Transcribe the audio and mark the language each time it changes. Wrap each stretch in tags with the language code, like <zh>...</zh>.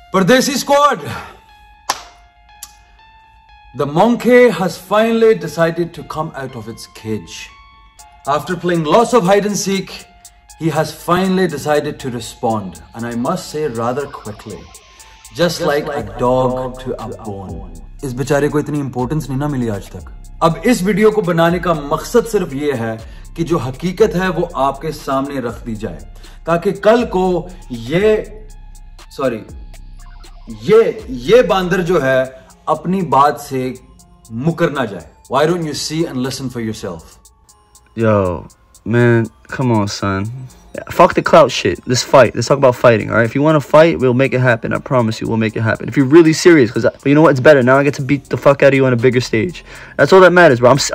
<en>Pardesi squad, the monkey has finally decided to come out of its cage. After playing lots of hide and seek, he has finally decided to respond, and I must say rather quickly, just like a dog to a bone.</en> <hi>इस बेचारे को इतनी importance नहीं ना मिली आज तक. अब इस वीडियो को बनाने का मकसद सिर्फ ये है कि जो हकीकत है वो आपके सामने रख दी जाए, ताकि कल को ये बांदर जो है अपनी बात से मुकर ना जाए.</hi> <en>Why don't you see and listen for yourself? Yo, man, come on, son. Fuck the clout shit. Let's fight. Let's talk about fighting, alright? If you want to fight, we'll make it happen. I promise you, we'll make it happen. If you're really serious, because you know what? It's better. Now I get to beat the fuck out of you on a bigger stage. That's all that matters, bro.</en>